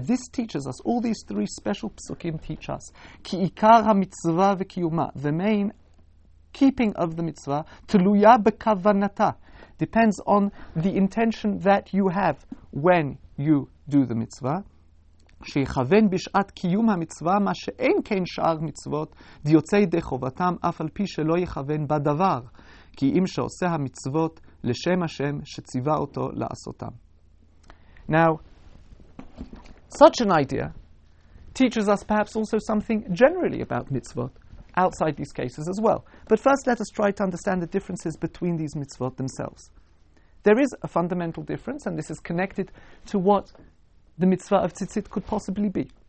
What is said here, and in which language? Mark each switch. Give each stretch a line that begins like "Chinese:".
English: This teaches us, all these three special psukim teach us,
Hebrew: ki ikar ha-mitzvah v'kiyuma,
English: the main keeping of the mitzvah,
Hebrew: teluya b'kavanata,
English: depends on the intention that you have when you do the mitzvah,
Hebrew: שיכוון בשעת קיום המצווה מה שאין כן שאר מצוות, דיוצאי די חובתם אף על פי שלא יכוון בדבר, כי אם שעושה המצוות לשם השם שציווה אותו לעשותם.
English: Now, such an idea teaches us perhaps also something generally about mitzvot, outside these cases as well. But first let us try to understand the differences between these mitzvot themselves. There is a fundamental difference, and this is connected to what the mitzvah of tzitzit could possibly be.